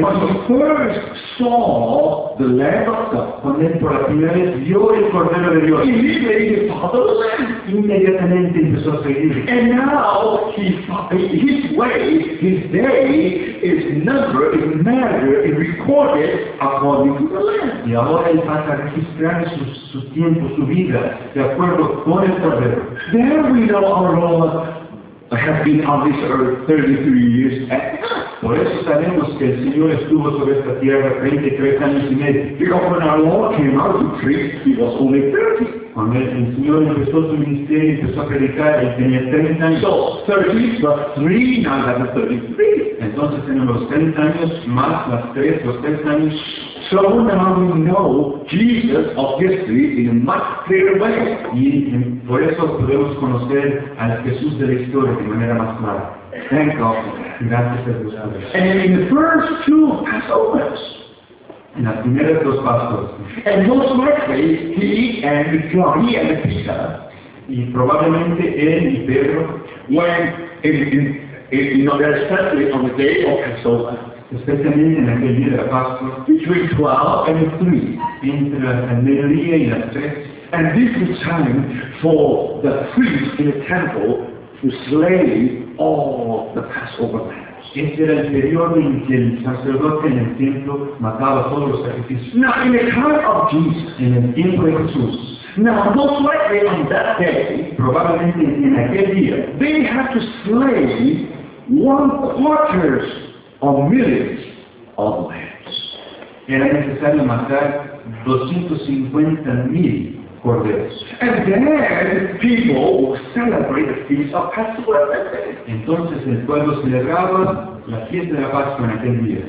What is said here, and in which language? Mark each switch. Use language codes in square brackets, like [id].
[en] when he first saw the Lamb of God, [es] cuando él por la primera vez vio el Cordero de Dios, [en] immediately followed the Lamb. [es] Inmediatamente empezó a seguir. [en] And now his way, his day, is numbered, is measured, is recorded according to the Lamb. [es] Y ahora él pasa a registrar su tiempo, su vida, de acuerdo con el Cordero. [en] There we know our Lord have been on this earth 33 years. [es] Por eso sabemos que el Señor estuvo sobre esta tierra 33 años y medio. [en] Because when our Lord came out to preach, he was only 30. [es] Cuando el Señor empezó su ministerio y empezó a predicar, él tenía 30 años. [en] So, 33, now that is 33. [es] Entonces tenemos 30 años más las 3, los 3 años. [en] So now we know Jesus of history in a much clearer way. [es] Y por eso podemos conocer al Jesús de la historia de manera más clara. [en] Thank God. [es] Gracias a Dios. [en] And in the first two Passovers, [es] en las primeras dos Pascuas, [en] and most likely he and Peter, [es] y probablemente él y Pedro, [en] when they're especially on the day of Passover, [es] especialmente en aquel día de la Pascua, [en] between 12 and 3, [es] entre el mediodía y las 3, [en] and this is time for the priest in the temple to slay all the Passover lambs. [es] Este era el periodo en que el sacerdote en el templo mataba todos los sacrificios. [en] Now, in the time of Jesus, [es] en el tiempo de Jesús, [en] now, most likely on that day, [es] probablemente en aquel día, [en] they had to slay 1/4 of millions of lambs. [es] Era necesario matar 250,000 corderos. [en] And then people would celebrate the feast of Passover. [es] Entonces el pueblo celebraba la fiesta de la Pascua en aquel día.